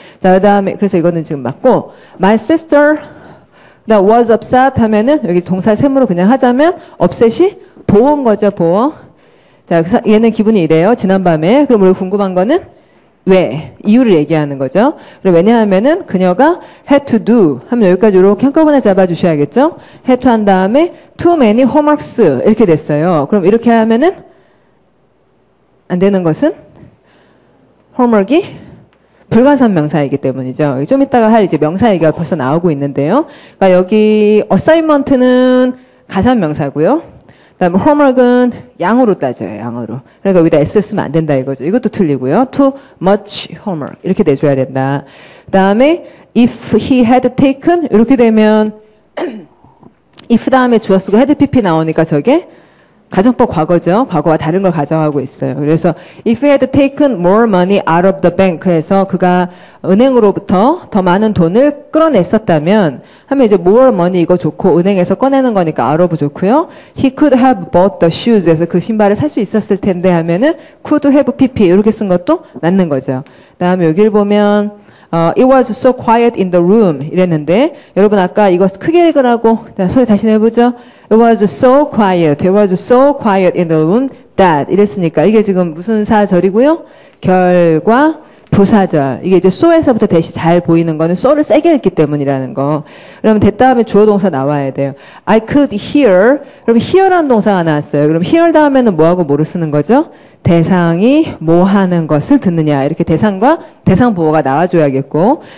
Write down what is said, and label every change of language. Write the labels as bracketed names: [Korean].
[Korean] 자, 그다음에 그래서 이거는 지금 맞고, [English] my sister Now, was upset [Korean] 하면은, 여기 동사 셈으로 그냥 하자면, upset이 보온 거죠, 보어. 자, 그래서 얘는 기분이 이래요, 지난밤에. 그럼 우리 궁금한 거는, 왜? 이유를 얘기하는 거죠. 그럼 왜냐하면은, 그녀가 had to do 하면 여기까지 이렇게 한꺼번에 잡아주셔야겠죠? had to 한 다음에, [English] too many homeworks [Korean] 이렇게 됐어요. 그럼 이렇게 하면은, 안 되는 것은, homework이, 불가산 명사이기 때문이죠. 좀 이따가 할 이제 명사 얘기가 벌써 나오고 있는데요. 그러니까 여기 assignment는 가산 명사고요. 그다음에 homework은 양으로 따져요. 양으로. 그러니까 여기다 s 쓰면 안 된다 이거죠. 이것도 틀리고요. [English] too much homework [Korean] 이렇게 내줘야 된다. 그다음에 [English] if he had taken [Korean] 이렇게 되면 if 다음에 주어 쓰고 had pp 나오니까 저게 가정법 과거죠. 과거와 다른 걸 가정하고 있어요. 그래서 [English] if he had taken more money out of the bank [Korean] 해서 그가 은행으로부터 더 많은 돈을 끌어냈었다면 하면 이제 more money 이거 좋고 은행에서 꺼내는 거니까 out of 좋고요. [English] he could have bought the shoes [Korean] 해서 그 신발을 살 수 있었을 텐데 하면은 could have pp 이렇게 쓴 것도 맞는 거죠. 그다음에 여기를 보면 [English] it was so quiet in the room [Korean] 이랬는데 여러분 아까 이거 크게 읽으라고 소리 다시 내보죠. [English] It was so quiet. It was so quiet in the room that [Korean] 이랬으니까 이게 지금 무슨 사절이고요? 결과 부사절. 이게 이제 so에서부터 대시 잘 보이는 거는 so를 세게 읽기 때문이라는 거. 그럼 됐다 하면 주어 동사 나와야 돼요. [English] I could hear. [Korean] 그럼 hear라는 동사가 나왔어요. 그럼 hear 다음에는 뭐하고 뭐를 쓰는 거죠? 대상이 뭐 하는 것을 듣느냐. 이렇게 대상과 대상 보호가 나와줘야겠고.